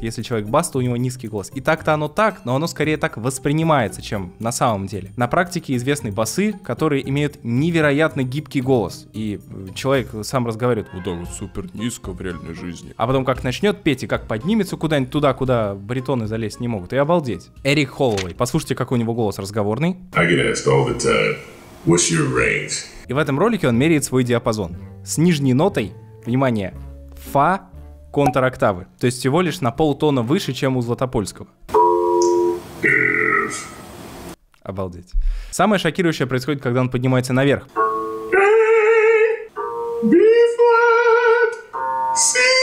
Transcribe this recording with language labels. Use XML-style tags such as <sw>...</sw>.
<ru>Если человек бас, то у него низкий голос. И так-то оно так, но оно скорее так воспринимается, чем на самом деле. На практике известны басы, которые имеют невероятно гибкий голос. И человек сам разговаривает вот так вот супер низко в реальной жизни. А потом как начнет петь и как поднимется куда-нибудь туда, куда баритоны залезть не могут. И обалдеть. Эрик Холлоуэй. Послушайте, какой у него голос разговорный.</ru> <en>I get asked all the time, what's your range?</en> <ru>И в этом ролике он меряет свой диапазон. С нижней нотой, внимание, фа контр-октавы. То есть всего лишь на полтона выше, чем у Златопольского. If. Обалдеть. Самое шокирующее происходит, когда он поднимается наверх.</ru> <en>A, B flat, C.</en>